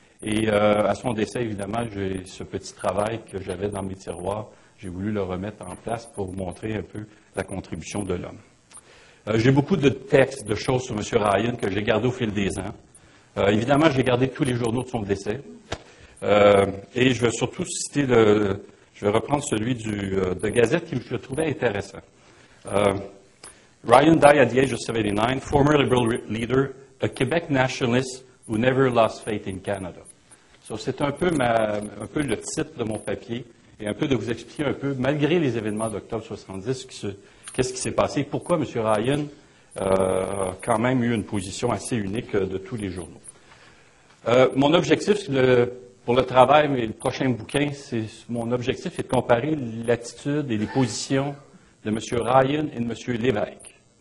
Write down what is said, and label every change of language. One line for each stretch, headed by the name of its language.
French: Et à son décès, évidemment, j'ai ce petit travail que j'avais dans mes tiroirs, j'ai voulu le remettre en place pour montrer un peu la contribution de l'homme. J'ai beaucoup de textes, de choses sur M. Ryan que j'ai gardé au fil des ans. Évidemment, j'ai gardé tous les journaux de son décès. Et je vais surtout citer le. Je vais reprendre celui de Gazette que je trouvais intéressant.
English: Ryan died at the age of 79, former liberal leader, a Quebec nationalist who never lost faith in Canada.
French: So, c'est un peu le titre de mon papier et un peu de vous expliquer un peu, malgré les événements d'octobre 70, qu'est-ce qui s'est passé, pourquoi M. Ryan a quand même eu une position assez unique de tous les journaux. Mon objectif, pour le travail, mais le prochain bouquin, c'est mon objectif est de comparer l'attitude et les positions de M. Ryan et de M. Lévesque.